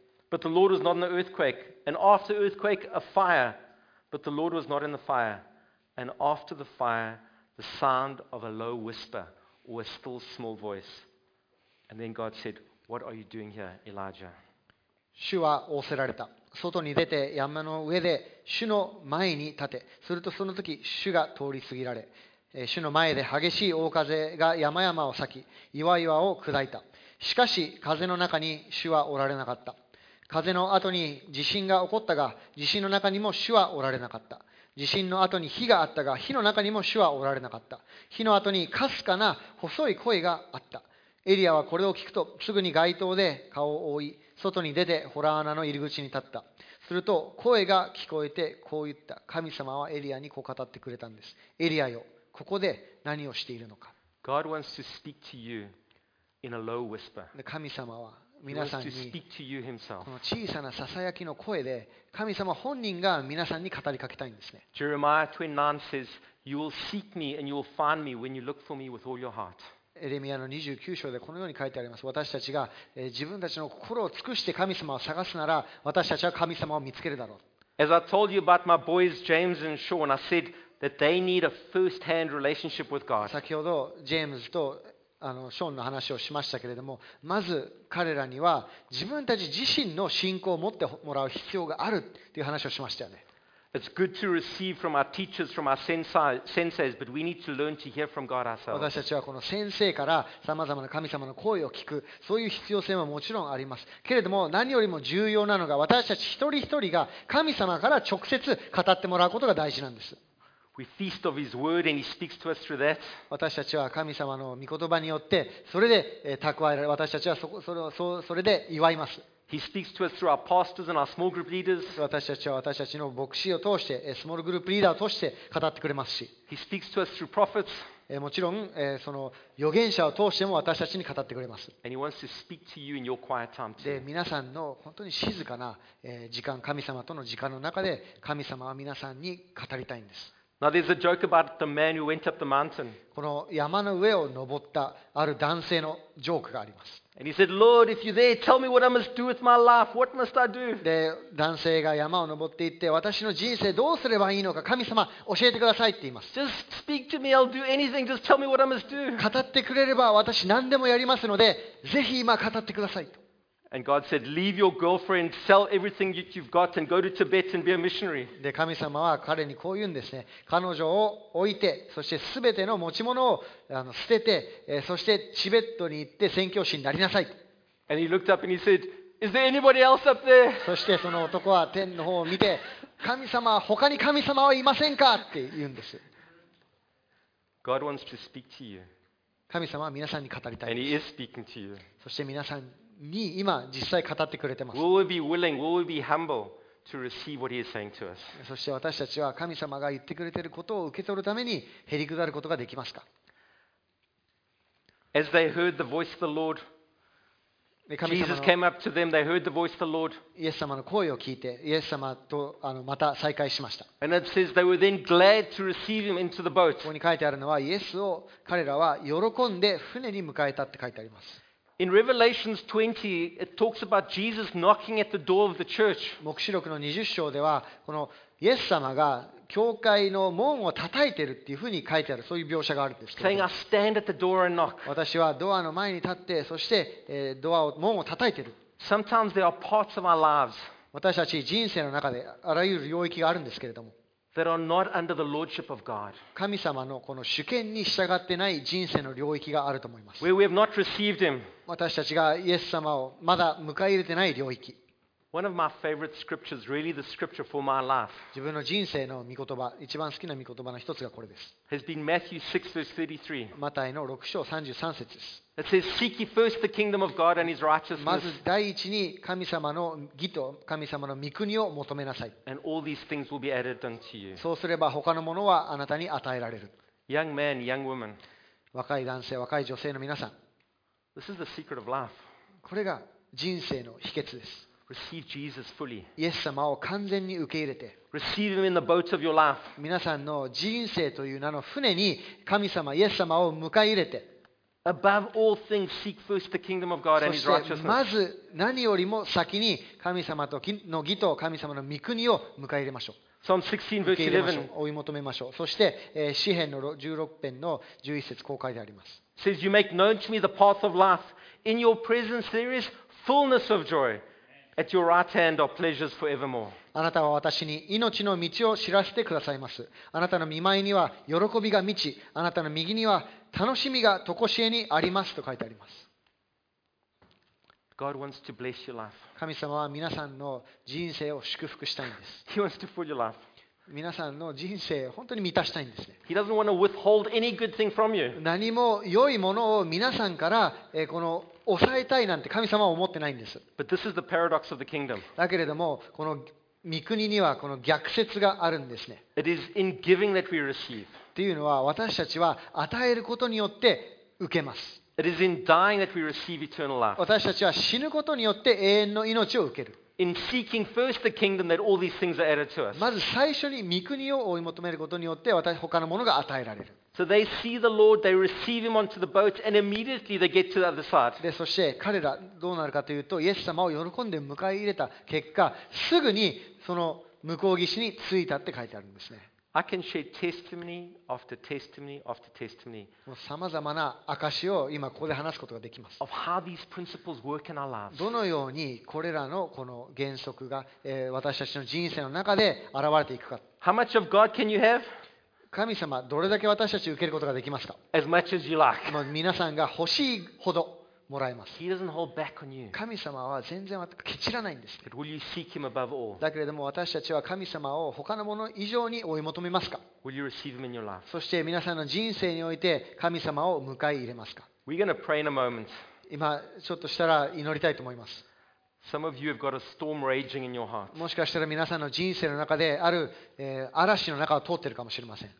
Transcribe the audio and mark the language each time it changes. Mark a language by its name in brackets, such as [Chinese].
[English] But the Lord was not in the earthquake. And after earthquake, a fire. But the Lord was not in the fire. And after the fire, the sound of a low whisper or a still small voice. And then God said, What are you doing here, Elijah? [Japanese] 主は仰せられた。外に出て山の上で主の前に立て。するとその時主が通り過ぎられ、主の前で激しい大風が山々を裂き、岩々を砕いた。しかし風の中に主はおられなかった。風の後に地震が起こったが、地震の中にも主はおられなかった。地震の後に火があったが、火の中にも主はおられなかった。火の後にかすかな細い声があった。エリアはこれを聞くと、すぐに街灯で顔を覆い、外に出て洞穴の入り口に立った。すると声が聞こえてこう言った。神様はエリアにこう語ってくれたんです。エリアよ、ここで何をしているのか。 [English] God wants to speak to you in a low whisper. [Japanese] 神様は皆さんに、 [English] He wants to speak to you himself. [Japanese] この小さなささやきの声で、神様本人が皆さんに語りかけたいんですね。 [English] Jeremiah 29 says, You will seek me and you will find me when you look for me with all your heart. [Japanese] エレミアの29章でこのように書いてあります。私たちが、自分たちの心を尽くして神様を探すなら、私たちは神様を見つけるだろう。 [English] As I told you about my boys James and Sean, I said that they need a first-hand relationship with God. [Japanese] 先ほどジェームズとショーンの話をしましたけれども、まず彼らには自分たち自身の信仰を持ってもらう必要があるという話をしましたよね。 [English] It's good to receive from our teachers, from our senseis, but we need to learn to hear from God ourselves. [Japanese] 私たちはこの先生からさまざまな神様の声を聞く、そういう必要性はもちろんあります。けれども何よりも重要なのが、私たち一人一人が神様から直接語ってもらうことが大事なんです。 [English] We feast of His Word and He speaks to us through that. [Japanese] 私たちは神様の御言葉によって、それで蓄えられ、私たちはそれで祝います。 [English] He speaks to us through our pastors and our small group leaders. [Japanese] 私たちは私たちの牧師を通して、スモールグループリーダーを通して語ってくれますし。 [English] He speaks to us through prophets. [Japanese] もちろん、その預言者を通しても私たちに語ってくれます。 [English] And he wants to speak to you in your quiet time too. [Japanese] で、皆さんの本当に静かな時間、神様との時間の中で、神様は皆さんに語りたいんです。 [English] Now there's a joke about the man who went up the mountain. [Japanese] この山の上を登ったある男性のジョークがあります。 [English] And he said, Lord, if you're there, tell me what I must do with my life. What must I do? [Japanese] で、男性が山を登っていって、私の人生どうすればいいのか、神様教えてくださいって言います。 [English] Just speak to me, I'll do anything. Just tell me what I must do. [Japanese] 語ってくれれば私何でもやりますので、ぜひ今語ってくださいと。 [English] And God said, Leave your girlfriend, sell everything you've got, and go to Tibet and be a missionary. [Japanese] で、神様は彼にこう言うんですね。彼女を置いて、そして全ての持ち物を捨てて、そしてチベットに行って宣教師になりなさい。 [English] And he looked up and he said, Is there anybody else up there? [Japanese] そしてその男は天の方を見て、神様、他に神様はいませんかって言うんです。 [English] God wants to speak to you. [Japanese] 神様は皆さんに語りたいです。 [English] And he is speaking to you. [Japanese] そして皆さんに今実際語ってくれてます。 [English] Will we be willing, will we be humble to receive what he is saying to us? [Japanese] そして私たちは神様が言ってくれていることを受け取るためにへりくだることができますか。 [English] As they heard the voice of the Lord, Jesus came up to them, they heard the voice of the Lord. [Japanese] イエス様の声を聞いて、イエス様とまた再会しました。 [English] And it says they were then glad to receive him into the boat. [Japanese] ここに書いてあるのは、イエスを彼らは喜んで船に迎えたって書いてあります。 [English] In Revelations 20, it talks about Jesus knocking at the door of the church. [Japanese] 黙示録の20章では、このイエス様が教会の門を叩いているっていうふうに書いてある、そういう描写があるんですけど、 [English] saying, I stand at the door and knock. [Japanese] 私はドアの前に立って、そして、ドアを門を叩いている。 [English] Sometimes there are parts of our lives. [Japanese] 私たち人生の中であらゆる領域があるんですけれども、 [English] that are not under the lordship of God. [Japanese] 神様のこの主権に従ってない人生の領域があると思います。 [English] where we have not received him. [Japanese] 私たちがイエス様をまだ迎え入れてない領域。 [English] One of my favorite scriptures, really the scripture for my life. [Japanese] 自分の人生の御言葉、一番好きな御言葉の一つがこれです。 [English] Has been Matthew 6 verse 33. [Japanese] マタイの6章33節です。 [English] It says, "Seek ye first the kingdom of God and His righteousness." [Japanese] まず第一に神様の義と神様の御国を求めなさい。 [English] And all these things will be added unto you. [Japanese] そうすれば他のものはあなたに与えられる。 [English] Young man, young woman. [Japanese] 若い男性、若い女性の皆さん。 [English] This is the secret of life. [Japanese] これが人生の秘訣です。 [English] Receive Jesus fully. [Japanese] イエス様を完全に受け入れて、 [English] Receive him in the boat of your life. [Japanese] 皆さんの人生という名の船に神様、イエス様を迎え入れて、 [English] Above all things, seek first the kingdom of God and His righteousness. [Japanese] まず何よりも先に神様の義と神様の御国を迎え入れましょう。 [English] Psalm 16 verse 11. [Japanese] 追い求めましょう。そして詩編の16編の11節公開であります。 [English] Says you make known to me the path of life. In your presence there is fullness of joy. At your right hand are pleasures forevermore. [Japanese] あなたは私に命の道を知らせてくださいます。あなたの御前には喜びが満ち、あなたの右には楽しみが常しえにありますと書いてあります。 [English] God wants to bless your life. [Japanese] 神様は皆さんの人生を祝福したいんです。 [English] He wants to fill your life. [Japanese] 皆さんの人生を本当に満たしたいんですね。 [English] He doesn't want to withhold any good thing from you. [Japanese] 何も良いものを皆さんからこの抑えたいなんて神様は思ってないんです。 [English] But this is the paradox of the kingdom. [Japanese] だけれども、この御国にはこの逆説があるんですね。 [English] It is in giving that we receive. [Japanese] というのは、私たちは与えることによって受けます。 [English] It is in dying that we receive eternal life. [Japanese] 私たちは死ぬことによって永遠の命を受ける。 [English] In seeking first the kingdom that all these things are added to us. [Japanese] まず最初に御国を追い求めることによって、他のものが与えられる。 [English] So they see the Lord, they receive him onto the boat, and immediately they get to the other side. [Japanese] で、そして彼らどうなるかというと、イエス様を喜んで迎え入れた結果、すぐにその向こう岸に着いたって書いてあるんですね。 [English] I can share testimony after testimony after testimony. [Japanese] もうさまざまな証を今ここで話すことができます。 [English] Of how these principles work in our lives. [Japanese] どのようにこれらのこの原則が、私たちの人生の中で現れていくか。 [English] How much of God can you have? [Japanese] 神様どれだけ私たち受けることができますか。 [English] As much as you like. [Japanese] もう皆さんが欲しいほどもらえます。 [English] He doesn't hold back on you. [Japanese] 神様は全然ケチらないんです。 [English] But will you seek him above all? [Japanese] だけれども私たちは神様を他のもの以上に追い求めますか。 [English] Will you receive him in your life? [Japanese] そして皆さんの人生において神様を迎え入れますか。 [English] We're gonna pray in a moment. [Japanese] 今ちょっとしたら祈りたいと思います。 [English] Some of you have got a storm raging in your heart. [Japanese] もしかしたら皆さんの人生の中である、嵐の中を通っているかもしれません。